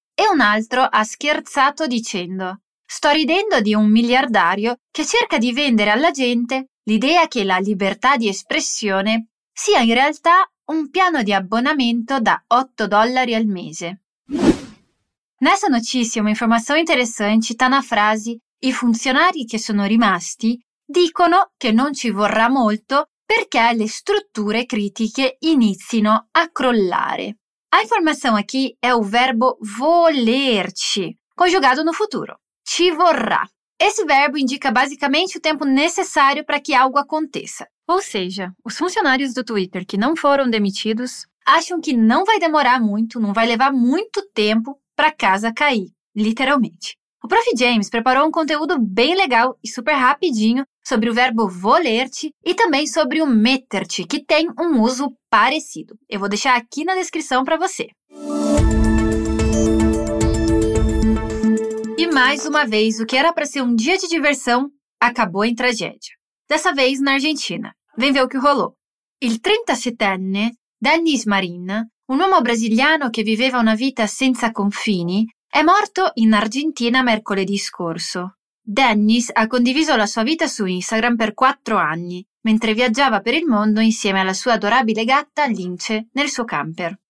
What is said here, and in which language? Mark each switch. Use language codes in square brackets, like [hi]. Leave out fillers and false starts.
[it] E un altro ha scherzato dicendo: «Sto ridendo di un miliardario che cerca di vendere alla gente l'idea che la libertà di espressione sia in realtà un piano di abbonamento da $8 al mese». [pt] Nessa notícia, uma informação interessante está na frase: [it] «I funzionari che sono rimasti dicono che non ci vorrà molto perché le strutture critiche inizino a crollare». [pt] A informação aqui é o verbo volerci, conjugado no futuro. Ci vorrà. Esse verbo indica basicamente o tempo necessário para que algo aconteça. Ou seja, os funcionários do Twitter que não foram demitidos acham que não vai demorar muito, não vai levar muito tempo para casa cair, literalmente. O Prof. James preparou um conteúdo bem legal e super rapidinho sobre o verbo volerci e também sobre o metterci, que tem um uso parecido. Eu vou deixar aqui na descrição para você. E mais uma vez, o que era para ser um dia de diversão acabou em tragédia. Dessa vez, na Argentina. Vem ver o que rolou. [it] Il 37enne Dennis Marin, un uomo brasiliano che viveva una vita senza confini, è morto in Argentina mercoledì scorso. Dennis ha condiviso la sua vita su Instagram per 4 anni, mentre viaggiava per il mondo insieme alla sua adorabile gatta Lince nel suo camper.